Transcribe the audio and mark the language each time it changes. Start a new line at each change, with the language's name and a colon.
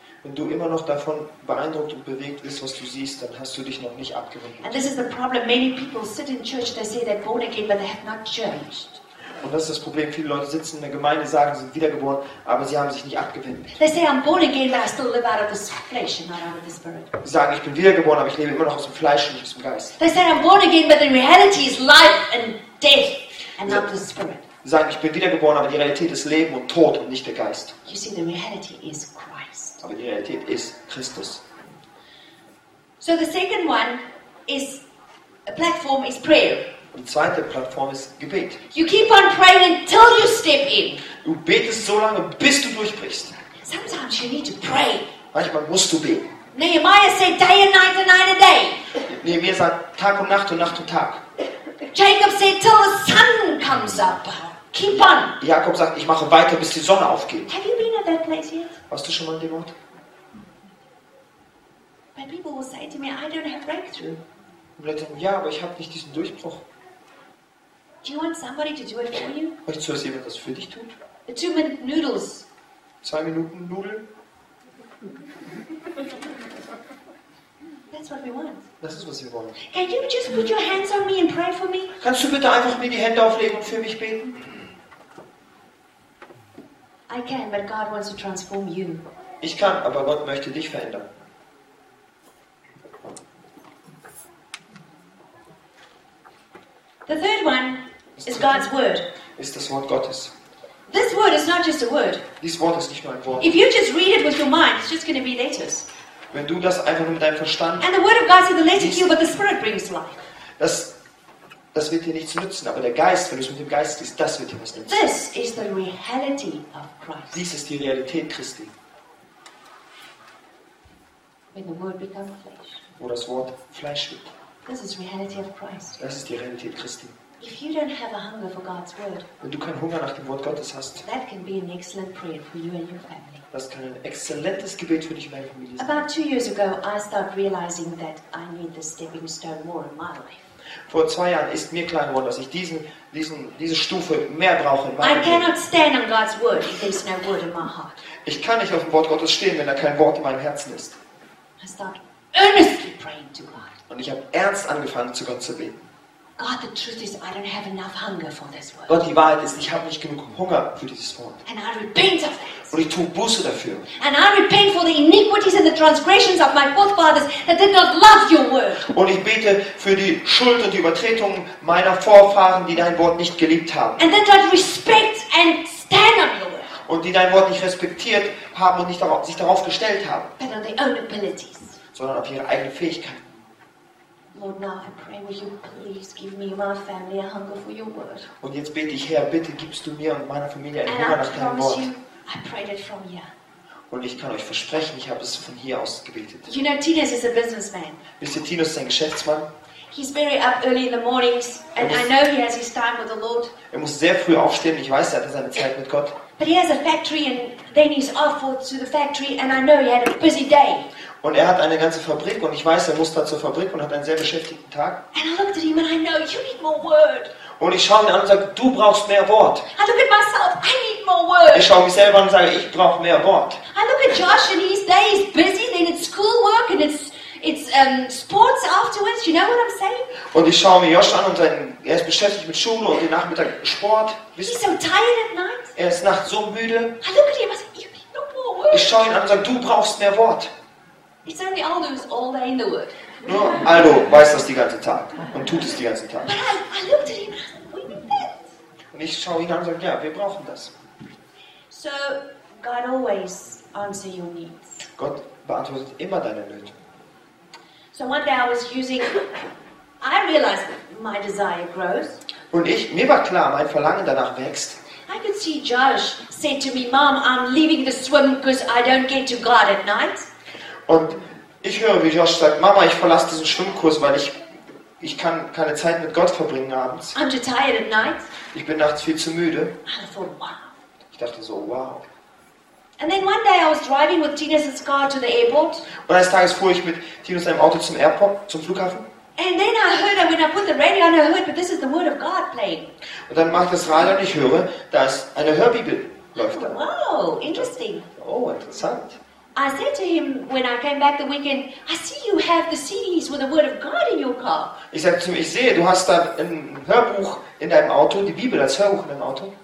German: Wenn du immer noch davon beeindruckt und bewegt bist, was du siehst, dann hast du dich noch nicht abgewendet.
English: And this is the problem. Many people sit in church, they say they're born again, but they have not changed.
German: Und das ist das Problem. Viele Leute sitzen in der Gemeinde, sagen, sie sind wiedergeboren, aber sie haben sich nicht abgewendet.
English: They say I'm born again, but I still live out of this flesh and not out of the spirit.
German: Sie sagen, ich bin wiedergeboren, aber ich lebe immer noch aus dem Fleisch und nicht aus dem Geist.
English: They say I'm born again, but the reality is life and death and not the spirit.
German: Sie sagen, ich bin wiedergeboren, aber die Realität ist Leben und Tod und nicht der Geist.
English: You see, the reality is Christ.
German: Aber die Realität ist Christus.
English: So the second one is a platform is prayer.
German: Die zweite Plattform ist Gebet.
English: You keep on praying until you step in.
German: Du betest so lange, bis du durchbrichst.
English: Sometimes you need to pray.
German: Manchmal musst du beten.
English: Nehemiah said day and night and night and day.
German: Nehemiah sagt Tag und Nacht und Nacht und Tag.
English: Jacob said till the sun comes up. Keep on.
German: Jakob sagt, ich mache weiter, bis die Sonne aufgeht.
English: Have you been at that place yet?
German: Warst du schon mal in dem Ort?
English: But people will say to me, I don't have breakthrough.
German: blättern, ja, aber ich habe nicht diesen Durchbruch.
English: Do you want somebody to do it for you?
German: Möchtest du, dass jemand das für dich tut?
English: 2 minute noodles.
German: 2 Minuten Nudeln.
English: That's what we want.
German: Das ist, was wir wollen.
English: Can you just put your hands on me and pray for me?
German: Kannst du bitte einfach mir die Hände auflegen und für mich beten?
English: I can, but God wants to transform you.
German: Ich kann, aber Gott möchte dich verändern.
English: The third one is God's word.
German: Ist das Wort Gottes.
English: This word is not just a word.
German: Dieses Wort ist nicht nur ein Wort.
English: If you just read it with your mind, it's just going to be letters.
German: Wenn du das einfach nur mit deinem Verstand.
English: And the word of God is the letter to you, but the Spirit brings life.
German: Das wird dir nichts nützen, aber der Geist, wenn du es mit dem Geist liest, das wird dir was nützen.
English: This is the reality of Christ.
German: Dies ist die Realität Christi.
English: When the word becomes flesh.
German: Wo das Wort Fleisch wird.
English: This is reality of Christ.
German: Das ist die Realität Christi.
English: If you don't have a hunger for God's word,
German: wenn du keinen Hunger nach dem Wort Gottes hast,
English: that can be an excellent prayer for you and your family.
German: Das kann ein exzellentes Gebet für dich und deine Familie sein.
English: About 2 years ago, I started realizing that I need this stepping stone more in my life.
German: Vor 2 Jahren ist mir klar geworden, dass ich diese Stufe mehr brauche in meinem Leben.
English: I cannot stand on God's word if there's no word in my heart.
German: Ich kann nicht auf dem Wort Gottes stehen, wenn da kein Wort in meinem Herzen ist.
English: I start earnestly praying to God.
German: Und ich habe ernst angefangen, zu Gott zu beten.
English: God, the truth is, I don't have enough hunger for this word.
German: Gott, die Wahrheit ist, ich habe nicht genug Hunger für dieses Wort.
English: And I repent of that.
German: Und ich tue Buße dafür.
English: And I repent for the iniquities and the transgressions of my forefathers that did not love your word.
German: Und ich bete für die Schuld und die Übertretung meiner Vorfahren, die dein Wort nicht geliebt haben.
English: And that not respect and stand on your word.
German: Und die dein Wort nicht respektiert haben und nicht darauf, sich darauf gestellt haben.
English: But on their own abilities.
German: Sondern auf ihre eigenen Fähigkeiten.
English: Lord, now I pray, will you please give me and my family a hunger for your word?
German: Und jetzt bete ich, Herr, bitte gibst du mir und meiner Familie einen Hunger nach deinem Wort.
English: I prayed it from here.
German: Und ich kann euch versprechen, ich habe es von hier aus gebetet.
English: You know, Tinus is a businessman.
German: Wisst ihr, Tinus ist ein Geschäftsmann.
English: He's very up early in the mornings, and I know he has his time with the Lord.
German: Er muss sehr früh aufstehen. Ich weiß, er hat seine Zeit mit Gott.
English: But he has a factory, and then he's off to the factory, and I know he had a busy day.
German: Und er hat eine ganze Fabrik und ich weiß, er muss da zur Fabrik und hat einen sehr beschäftigten Tag.
English: And I looked at him and I know you need more word.
German: Und ich schaue ihn an und sage, du brauchst mehr Wort.
English: I look at myself, I need more word.
German: Ich schaue mich selber an und sage, ich brauche mehr Wort.
English: I look at Josh and he's there, he's busy, then it's schoolwork and it's sports afterwards. You know what I'm saying?
German: Und ich schaue mir Josh an und er ist beschäftigt mit Schule und den Nachmittag Sport.
English: He's so tired at night.
German: Er ist nachts so müde.
English: I look at him and I say, you need more word.
German: Ich schaue ihn an und sage, du brauchst mehr Wort.
English: It's only Aldo who's all day in the Word.
German: No, Aldo weiß das den ganzen Tag und tut es den ganzen Tag.
English: But I looked at him and I said, we need this.
German: Und ich schaue ihn an und sage, ja, wir brauchen das.
English: So, God always answers your needs.
German: Gott beantwortet immer deine Nöte.
English: So one day I was using, I realized that my desire grows.
German: Und mir war klar, mein Verlangen danach wächst.
English: I could see Josh said to me, Mom, I'm leaving the swim because I don't get to God at night.
German: Und ich höre, wie Josh sagt, Mama, ich verlasse diesen Schwimmkurs, weil ich kann keine Zeit mit Gott verbringen abends.
English: I'm too tired at night.
German: Ich bin nachts viel zu müde.
English: I thought, wow.
German: Ich dachte so, wow.
English: And then one day I was driving with Tina's car to the airport.
German: Und eines Tages fuhr ich mit Tina's seinem Auto zum Airport, zum Flughafen.
English: And then I heard, when I put the radio on, I heard, but this is the word of God playing.
German: Und dann mache ich das Radio und ich höre, dass eine Hörbibel läuft.
English: Wow, interesting.
German: Oh, interessant.
English: I said to him when I came back the weekend, I see you have the CDs with the word of God in your car.
German: Ich sagte zu ihm, ich sehe, du hast da ein Hörbuch in deinem Auto, die Bibel als Hörbuch in deinem Auto.